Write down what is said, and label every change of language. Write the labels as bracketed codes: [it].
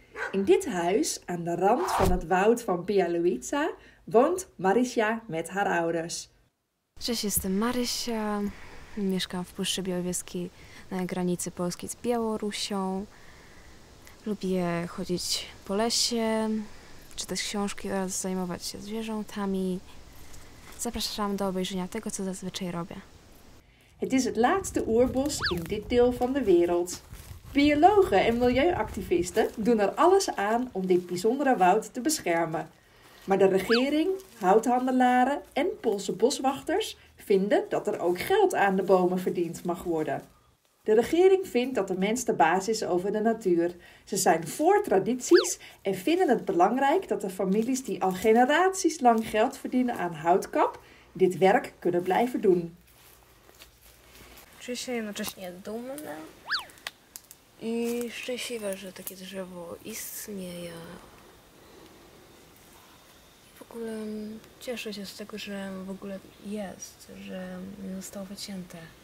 [nl] In dit huis, aan de rand van het woud van Pialuitsa, woont Marysia met haar ouders. [pl] Cześć, jestem Marysia. Mieszkam w Puszczy Białowieskiej na granicy Polski z Białorusią. Lubię chodzić po lesie, czytać książki oraz zajmować się zwierzątami. Zapraszam do obejrzenia tego, co zazwyczaj robię. [nl] Het is het laatste oerbos in dit deel van de wereld. Biologen en milieuactivisten doen er alles aan om dit bijzondere woud te beschermen. Maar de regering, houthandelaren en Poolse boswachters vinden dat er ook geld aan de bomen verdiend mag worden. De regering vindt dat de mens de baas is over de natuur. Ze zijn voor tradities en vinden het belangrijk dat de families die al generaties lang geld verdienen aan houtkap, dit werk kunnen blijven doen. [pl] Czuję się jednocześnie dumna i szczęśliwa, że takie drzewo istnieje. W ogóle cieszę się z tego, że w ogóle jest, że zostało wycięte.